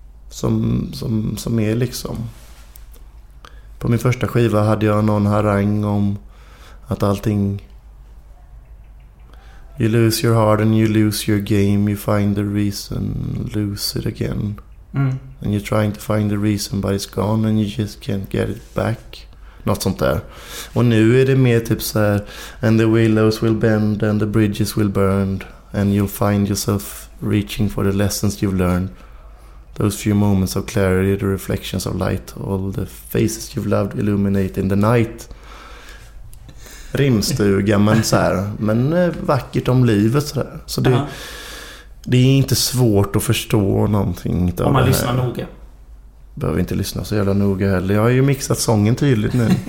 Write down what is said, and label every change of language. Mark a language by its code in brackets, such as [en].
[sv] Som är liksom, på min första skiva hade jag någon harang om att allting, [en] you lose your heart and you lose your game, you find the reason, lose it again. Mm. And you're trying to find the reason but it's gone and you just can't get it back. [sv] Något sånt där. Och nu är det mer typ så här, [en] and the willows will bend and the bridges will burn and you'll find yourself reaching for the lessons you've learned. Those few moments of clarity, the reflections of light, all the faces you've loved illuminate in the night. [sv] Rimstuga, men så här, men vackert om livet så där. Så det, uh-huh. Det är inte svårt att förstå någonting. Om man lyssnar noga. Behöver inte lyssna så jävla noga heller. Jag har ju mixat sången tydligt nu.